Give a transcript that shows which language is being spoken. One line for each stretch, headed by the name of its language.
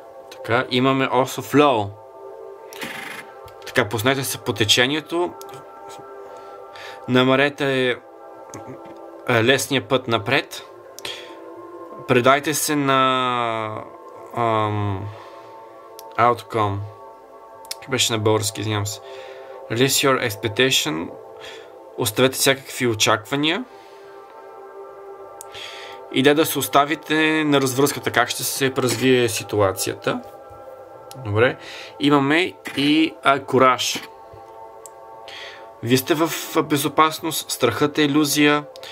Bulgarian: Така, имаме
English: also flow.
Bulgarian: Така, познайте се по течението. Намерете лесния път напред. Предайте се на outcome. Как беше на български, извинявам се.
English: Release your expectation.
Bulgarian: Оставете всякакви очаквания. Идея да се оставите на развръзката, как ще се развие ситуацията. Добре. Имаме и кураж. Вие сте в безопасност, страхът е илюзия.